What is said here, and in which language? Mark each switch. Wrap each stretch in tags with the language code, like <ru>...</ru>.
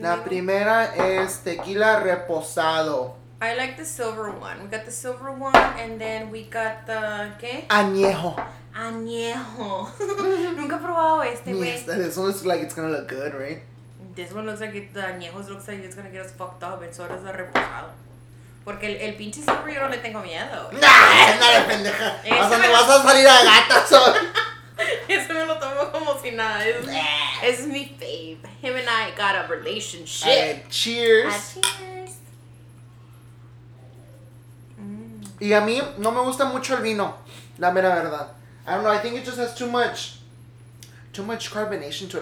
<es>La primera es tequila reposado.</es> <en>I like the silver one. We got the silver one, and then we got the, ¿qué?</en> <es>Añejo. Añejo. Nunca he probado este, güey.</es> <en>Yes, this one looks like it's gonna look good, right? This one looks like the añejo looks like it's gonna get us fucked up, and so does the reposado.</en> <es>Porque el pinche silver yo no le tengo miedo. ¡Nah! ¡Es nada, pendeja! ¡O sea, no vas a salir a gatas hoy! Eso me lo tomo como si nada. Es mi fave.</es> <en>Him and I got a relationship. Cheers.</en> <es>Y a mí no me gusta mucho el vino, la mera verdad.</es> <en>I don't know, I think it just has too much carbonation to it.</en>